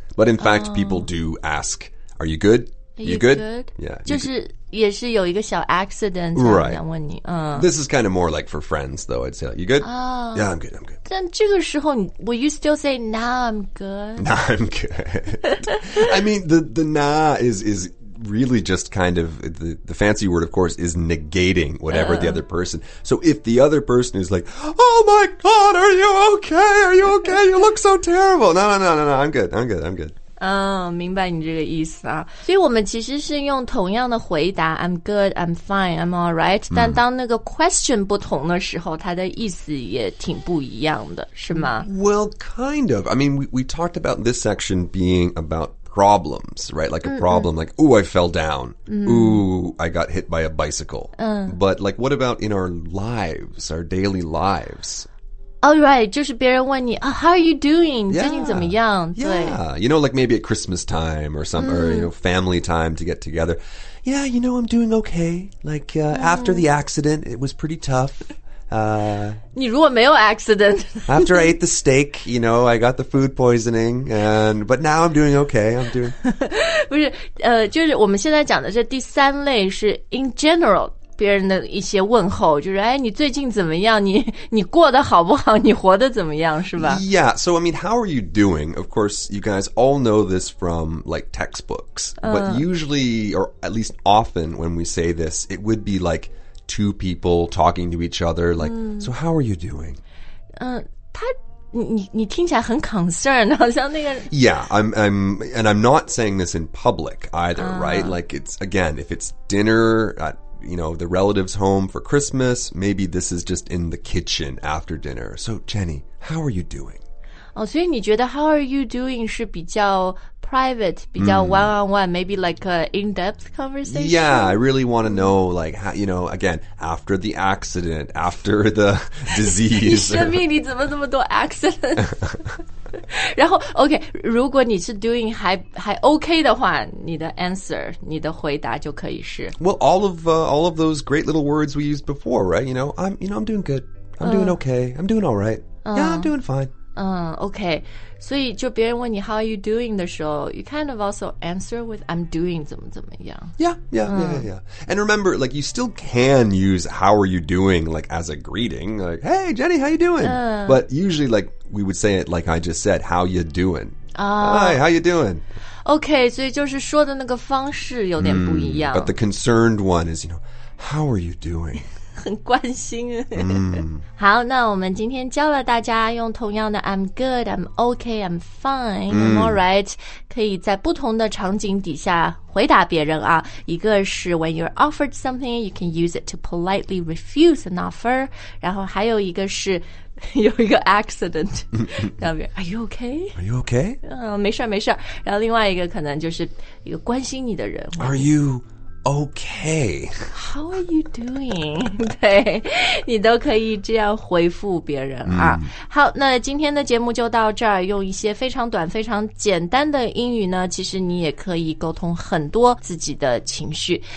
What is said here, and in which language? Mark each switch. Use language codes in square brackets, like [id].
[en] But in fact, people do ask, are you good? Are you good? Yeah. [zh] 就是也是有一个小 accident 这样想问你。 [en] Right. This is kind of more like for friends, though. I'd say, like, you good? Yeah, I'm good. [zh] 但这个时候 [en] will you still say, nah, I'm good? Nah, I'm good. I mean, the nah is... really just kind of, the fancy word, of course, is negating whatever the other person. So if the other person is like, oh my God, are you okay? Are you okay? You look so terrible. No, I'm good. [zh] 明白你这个意思啊。所以我们其实是用同样的回答 [en] I'm good, I'm fine, I'm alright. [zh] 但当那个 question 不同的时候它的意思也挺不一样的是吗 [en] Well, kind of. I mean, we talked about this section being aboutproblems, right? Like a problem, like, ooh, I fell down. Ooh, I got hit by a bicycle. But, like, what about in our lives, our daily lives? Oh, right. [zh] 就是别人问你 [en] how are you doing? Yeah. [zh] 最近怎么样 [en] Yeah. You know, like maybe at Christmas time or some, or, you know, family time to get together. Yeah, you know, I'm doing okay. Like, after the accident, it was pretty tough. [zh] 你如果没有 accident [en] After I ate the steak, you know, I got the food poisoning and, But now I'm doing okay I'm doing [zh] 不是、就是我们现在讲的这第三类是 [en] in general [zh] 别人的一些问候就是哎，你最近怎么样 你过得好不好你活得怎么样是吧 [en] Yeah, so I mean, how are you doing? Of course, you guys all know this from like textbooks But usually, or at least often when we say this It would be likeTwo people talking to each other, like,so how are you doing? [zh] 你听起来很 concerned, 好像那个 [en] Yeah, I'm, and I'm not saying this in public either, right? Like, it's, again, if it's dinner at, you know, the relative's home for Christmas, maybe this is just in the kitchen after dinner. So, Jenny, how are you doing? [zh] 所以你觉得 [en] how are you doing [zh] 是比较 [en] private, 比较 one-on-one, maybe like an in-depth conversation? Yeah, I really want to know, like, how, you know, again, after the accident, after the disease. [zh] 你生命你怎么这么多 accident? 然后 OK, 如果你是 doing 还 OK 的话你的 answer, 你的回答就可以是 [en] Well, all of those great little words we used before, right? You know, I'm doing good. I'm doing okay. I'm doing all right. Yeah, I'm doing fine. OK, [zh] 所以就别人问你 [en] how are you doing [zh] 的时候 [en] you kind of also answer with I'm doing [zh] 怎么怎么样 [en] Yeah. And remember, like, you still can use how are you doing, like, as a greeting, like, hey, Jenny, how you doing? But usually, like, we would say it like I just said, how you doing? Hi, how you doing? [zh] OK, 所以就是说的那个方式有点不一样 [en] But the concerned one is, you know, how are you doing? [zh] 很关心好那我们今天教了大家用同样的 [en] I'm good, I'm okay, I'm fine, I'm alright [zh] 可以在不同的场景底下回答别人啊一个是 [en] when you're offered something you can use it to politely refuse an offer [zh] 然后还有一个是有一个 accident 要不然 [en] are you okay? Are you okay? [zh] 没事然后另外一个可能就是一个关心你的人 [en] Are you... Okay. How are you doing? [zh] 对，你都可以这样回复别人啊。好，那今天的节目就到这儿。用一些非常短、非常简单的英语呢，其实你也可以沟通很多自己的情绪。